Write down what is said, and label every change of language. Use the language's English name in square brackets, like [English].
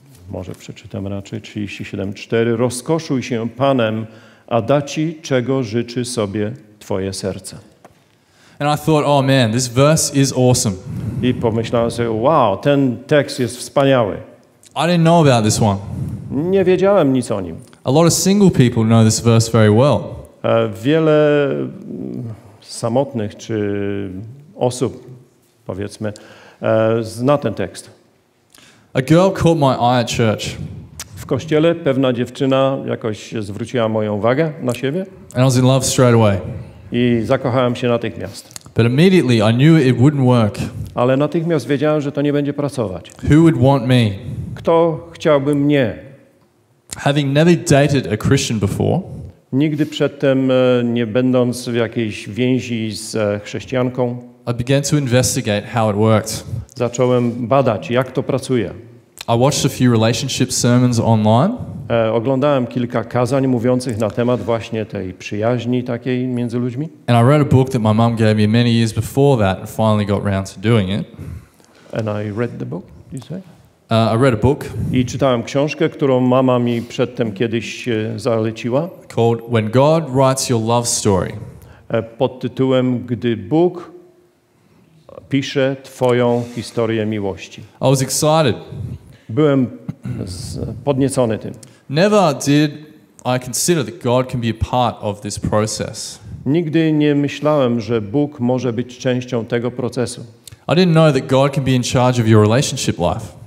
[Polish] Może przeczytam raczej 37:4. Rozkoszuj się Panem, a da ci, czego życzy sobie twoje serce. [English] And I thought, oh man, this verse is awesome. [Polish] I pomyślałem sobie, wow, ten tekst jest wspaniały. [English] I didn't know about this one. [Polish] Nie wiedziałem nic o nim. [English] A lot of single people know this verse very well. [Polish] Wiele samotnych czy osób, powiedzmy, zna ten tekst. [English] A girl caught my eye at church. [Polish] W kościele pewna dziewczyna jakoś zwróciła moją uwagę na siebie. [English] And I was in love straight away. [Polish] I zakochałem się natychmiast. [English] But immediately I knew it wouldn't work. [Polish] Ale natychmiast wiedziałem, że to nie będzie pracować. [English] Who would want me? [Polish] Kto chciałby mnie? [English] Having never dated a Christian before. [Polish] Nigdy przedtem nie będąc w jakiejś więzi z chrześcijanką. [English] I began to investigate how it worked. [Polish] Zacząłem badać, jak to pracuje. [English] I watched a few relationship sermons online. [Polish] Oglądałem kilka kazań mówiących na temat właśnie tej przyjaźni takiej między ludźmi. [English] And I read a book that my mom gave me many years before that and finally got around to doing it. And I read the book, you say? I read a book. [Polish] I czytałem książkę, którą mama mi przedtem kiedyś zaleciła. [English] Called When God Writes Your Love Story. [Polish] Pod tytułem Gdy Bóg pisze twoją historię miłości. [English] I was excited. [Polish] Byłem podniecony tym. [English] Never did I consider that God can be a part of this process. [Polish] Nigdy nie myślałem, że Bóg może być częścią tego procesu. [English] I didn't know that God can be in charge of your relationship life.